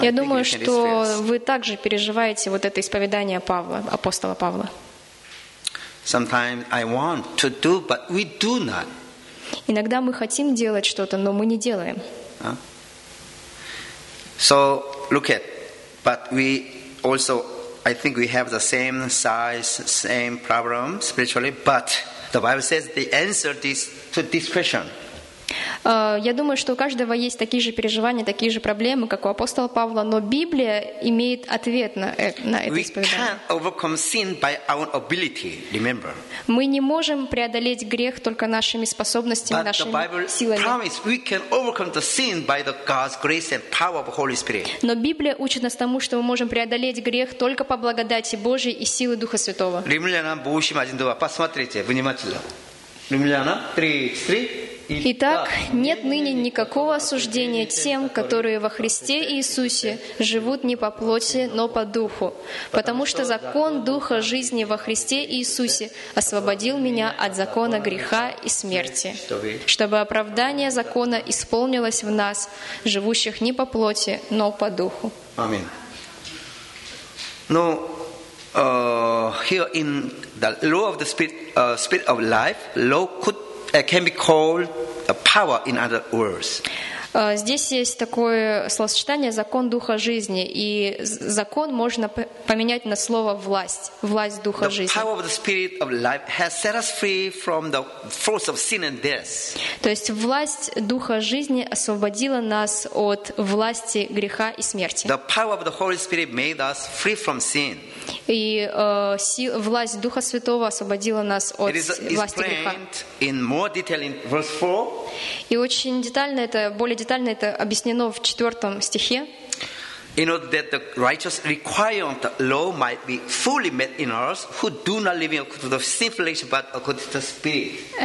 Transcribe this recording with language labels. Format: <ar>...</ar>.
<ru>Я думаю, что вы также переживаете вот это исповедание Павла, апостола Павла.</ru> <en>Sometimes I want to do, but we do not.</en> <ru>Иногда мы хотим делать что-то, но мы не делаем.</ru> <en>So look at, but we also. I think we have the same size, same problem spiritually, but the Bible says the answer is to this question.</en> <ru>Я думаю, что у каждого есть такие же переживания, такие же проблемы, как у апостола Павла, но Библия имеет ответ на это исповедание.</ru> <en>We can't overcome sin by our ability, remember.</en> <ru>Мы не можем преодолеть грех только нашими способностями, нашими силами.</ru> <en>But the Bible promises we can overcome the sin by the God's grace and power of the Holy Spirit.</en> <ru>Но Библия учит нас тому, что мы можем преодолеть грех только по благодати Божией и силе Духа Святого. Римлянам 1:2. Посмотрите внимательно. Римлянам 3:3. Итак, нет ныне никакого осуждения тем, которые во Христе Иисусе живут не по плоти, но по духу, потому что закон Духа жизни во Христе Иисусе освободил меня от закона греха и смерти, чтобы оправдание закона исполнилось в нас, живущих не по плоти, но по духу. Аминь.</ru> <en>Ну, here in the law of the spirit, spirit of life, law could can be called a power, in other words.</en> <ru>Здесь есть такое словосочетание «закон Духа жизни», и закон можно поменять на слово «власть», «власть Духа жизни».</ru> <en>The power of the Spirit of life has set us free from the force of sin and death.</en> <ru>То есть власть Духа жизни освободила нас от власти греха и смерти.</ru> <en>The power of the Holy Spirit made us free from sin.</en> <ru>И власть Духа Святого освободила нас от власти греха.</ru> <en>In more detail in verse 4.</en> <ru>И очень детально это, более детально это объяснено в 4 стихе.</ru> <en>In order that the righteous requirement of law might be fully met in us who do not live according to the sinful flesh but according to the Spirit.</en>